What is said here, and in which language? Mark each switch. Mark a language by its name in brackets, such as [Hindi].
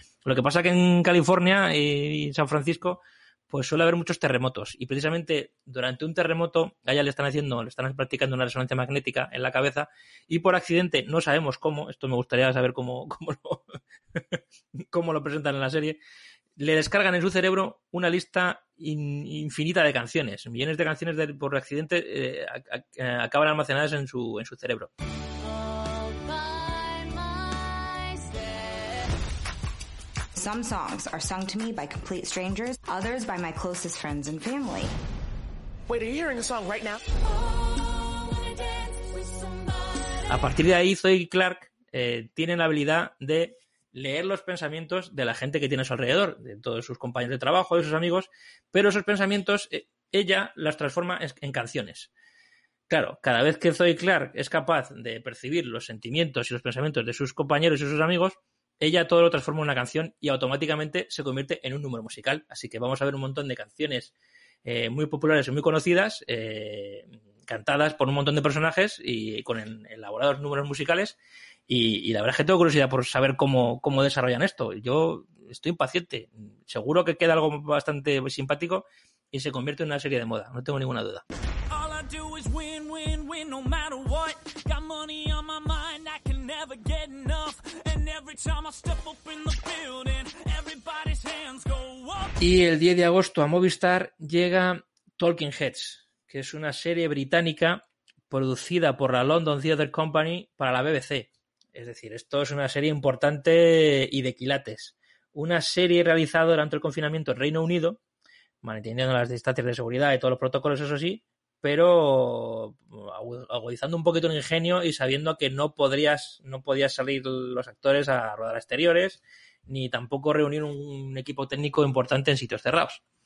[Spanish] Lo que pasa que en California y en San Francisco pues suele haber muchos terremotos, y precisamente durante un terremoto a ella le están practicando una resonancia magnética en la cabeza, y por accidente, no sabemos cómo, esto me gustaría saber cómo lo presentan en la serie, le descargan en su cerebro una lista infinita de canciones, millones de canciones por accidente acaban almacenadas en su cerebro. [English] Some songs are sung to me by complete strangers, others by my closest friends and family. Wait, are you hearing a song right now? [Spanish] A partir de ahí, Zoe Clark tiene la habilidad de leer los pensamientos de la gente que tiene a su alrededor, de todos sus compañeros de trabajo, de sus amigos, pero esos pensamientos ella las transforma en canciones. Claro, cada vez que Zoe Clark es capaz de percibir los sentimientos y los pensamientos de sus compañeros y sus amigos, ella todo lo transforma en una canción y automáticamente se convierte en un número musical. Así que vamos a ver un montón de canciones muy populares y muy conocidas, cantadas por un montón de personajes y con elaborados números musicales. Y la verdad es que tengo curiosidad por saber cómo desarrollan esto. Yo estoy impaciente. Seguro que queda algo bastante simpático y se convierte en una serie de moda. No tengo ninguna duda. [English] All I do is win, win, win, no matter what. Got money on my mind, I can never get enough. And every time I step up in the building, everybody's hands go up. [Spanish] Y el 10 de agosto a Movistar llega Talking Heads, que es una serie británica producida por la London Theatre Company para la BBC. Es decir, esto es una serie importante y de quilates. Una serie realizada durante el confinamiento en Reino Unido, manteniendo las distancias de seguridad y todos los protocolos, eso sí, pero agudizando un poquito el ingenio y sabiendo que no podías salir los actores a rodar a exteriores, ni tampoco reunir un equipo técnico importante en sitios cerrados.